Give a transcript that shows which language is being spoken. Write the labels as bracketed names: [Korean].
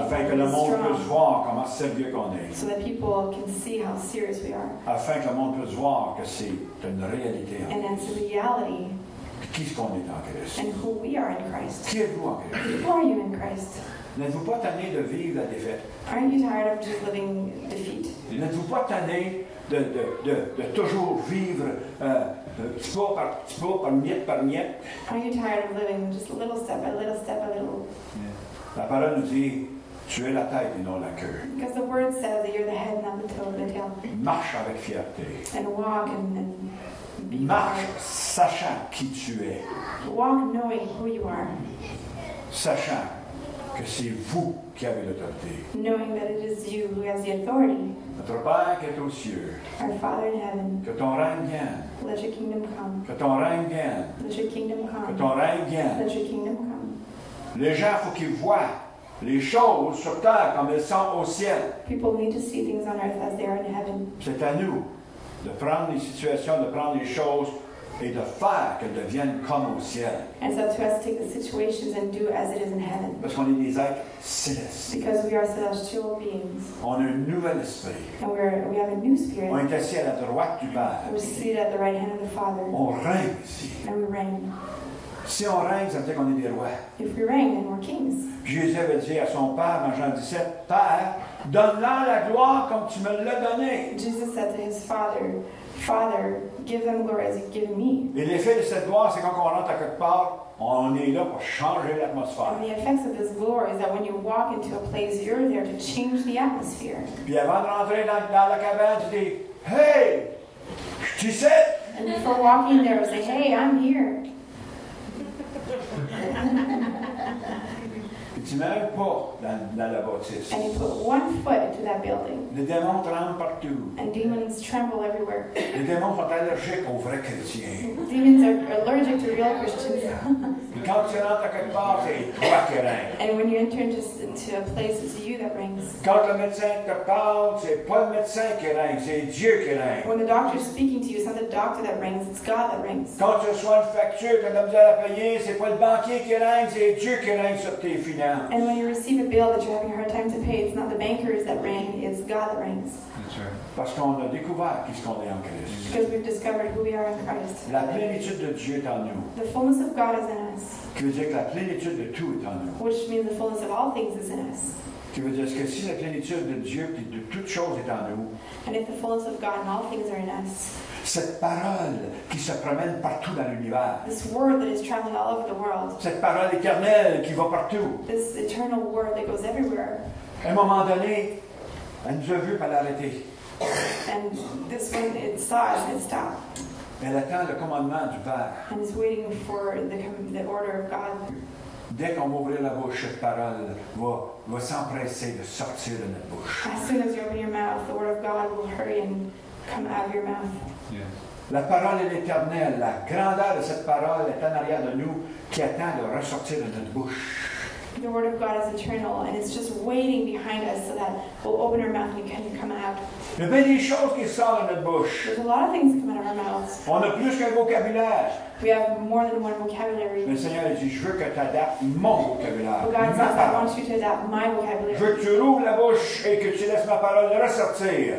[French] afin que le monde puisse voir comment sérieux qu'on est. [English] So that people can see how serious we are. [French] Afin que le monde puisse voir que c'est une réalité. [English] And it's a reality. [French] Qui est-ce qu'on est en Christ? [English] And who we are in Christ. [French] Qui êtes-vous en Christ? [English] Who are you in Christ? [French] N'êtes-vous pas tanné de vivre la défaite? [English] Aren't you tired of just living defeat? [French] N'êtes-vous pas tanné de toujours vivre petit pas par miette par miette? [English] Aren't you tired of living just a little step by little step by little? Yeah. [French] La parole nous dit, tu es la tête et non la queue. [English] Because the word says that you're the head and not the toe of the tail. [French] Marche avec fierté. [English] And walk and be [French] marche fired. Sachant qui tu es. [English] Walk knowing who you are. [French] Sachant que c'est vous qui avez l'autorité. [English] Knowing that it is you who has the authority. [French] Notre Père qui est aux cieux. [English] Our Father in heaven. [French] Que ton règne vienne. [English] Let your kingdom come. [French] Que ton règne vienne. [English] Let your kingdom come. [French] Que ton règne vienne. [English] Let your kingdom come. [French] Les gens, il faut qu'ils voient Les choses sur terre comme elles sont au ciel. [English] People need to see things on earth as they are in heaven. [French] C'est à nous de prendre les situations, de prendre les choses et de faire qu'elles deviennent comme au ciel. [English] And so to us, take the situations and do as it is in heaven. [French] Parce qu'on est des êtres célestes. [English] Because we are celestial beings. [French] On a un nouvel esprit. [English] And we have a new spirit. [French] On est assis à la droite du Père. [English] We're seated at the right hand of the Father. [French] On règne ici. [English] And we reign. [French] Si on règne, ça veut dire qu'on est des rois. [English] If we reign, then we're kings. [French] Jésus avait dit à son Père, dans Jean 17, « Père, donne-leur la gloire comme tu me l'as donnée. » [English] Jesus said to his Father, Father, give them glory as you've given me. [French] Et l'effet de cette gloire, c'est quand on rentre à quelque part, on est là pour changer l'atmosphère. [English] And the effects of this glory is that when you walk into a place, you're there to change the atmosphere. [French] Puis avant de rentrer dans la cabane, tu dis, « Hey, je suis ici. » [English] And before walking there, you say, « Hey, I'm here. » [French] Et tu mets un pas dans la bâtisse. [English] And you put one foot into that building. [French] Les démons tremblent partout. [English] And demons tremble everywhere. [French] Les démons sont allergiques aux vrais chrétiens. [English] Demons are allergic to real Christians. [French] Et quand tu rentres à quelque part, c'est toi qui règne. [English] And when you enter into a place, it's you that reigns. [French] Quand le médecin te parle, c'est pas le médecin qui règne, c'est Dieu qui règne. [English] When the doctor is speaking to you, it's not the doctor that rings, it's God that rings. [French] Quand tu reçois une facture, quand tu as besoin de payer, c'est pas le banquier qui règne, c'est Dieu qui règne sur tes finances. [English] And when you receive a bill that you're having a hard time to pay, it's not the bankers that ring, it's God that rings. [French] Parce qu'on a découvert qui est en Christ. [English] Because we've discovered who we are in Christ. [French] La plénitude de Dieu est en nous. [English] The fullness of God is in us. [French] Qui veut dire que la plénitude de tout est en nous. [English] Which means the fullness of all things is in us. [French] Qui veut dire que si la plénitude de Dieu et de toutes choses est en nous. [English] And if the fullness of God and all things are in us. [French] Cette parole qui se promène partout dans l'univers. [English] This word that is traveling all over the world. [French] Cette parole éternelle qui va partout. [English] This eternal word that goes everywhere. [French] À un moment donné, elle nous a vus pour l'arrêter. [English] And this one, it saw it and it stopped. [French] Elle attend le commandement du Père. [English] And it's waiting for the order of God. [French] Dès qu'on va ouvrir la bouche, cette parole va s'empresser de sortir de notre bouche. [English] As soon as you open your mouth, the word of God will hurry and come out of your mouth. Yes. [French] La parole est l'éternelle. La grandeur de cette parole est en arrière de nous qui attend de ressortir de notre bouche. [English] The word of God is eternal, and it's just waiting behind us so that we'll open our mouth and can come out. There's a lot of things that come out of our mouths. [French] On a plus qu'un vocabulaire. [English] We have more than one vocabulary. [French] Le Seigneur dit, je veux que tu adaptes mon vocabulaire. [English] God says, I want you to adapt my vocabulary. [French] Je veux que tu ouvres la bouche et que tu laisses ma parole ressortir.